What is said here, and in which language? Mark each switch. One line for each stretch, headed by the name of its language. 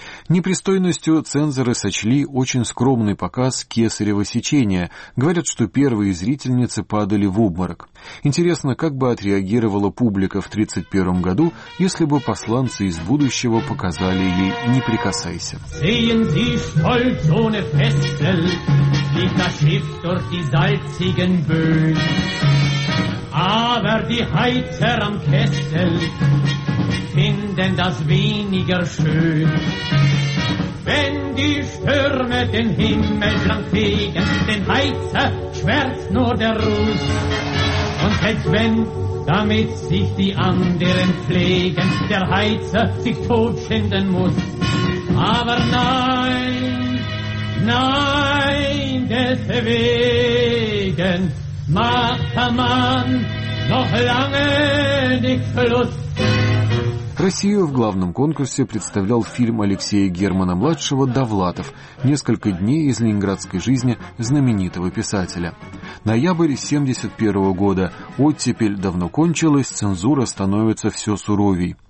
Russian: Непристойностью цензоры сочли очень скромный показ «Кесарева сечения». Говорят, что первые зрительницы падали в обморок. Интересно, как бы отреагировала публика в 1931 году, если бы посланцы из будущего показали ей «Не прикасайся».
German: Sehen Sie Stolzone Festel, liegt das Schiff durch die salzigen Böen. Aber die Heizer am Kessel finden das weniger schön. Wenn die Stürme den Himmel lang fegen, den Heizer schmerzt nur der Ruß. Und selbst wenn, damit sich die anderen pflegen, der Heizer sich totschinden muss. Aber nein, nein, deswegen macht der Mann noch lange nicht Schluss.
Russian: Россию в главном конкурсе представлял фильм Алексея Германа-младшего «Довлатов. Несколько дней из ленинградской жизни знаменитого писателя». Ноябрь 1971 года. Оттепель давно кончилась, цензура становится все суровей.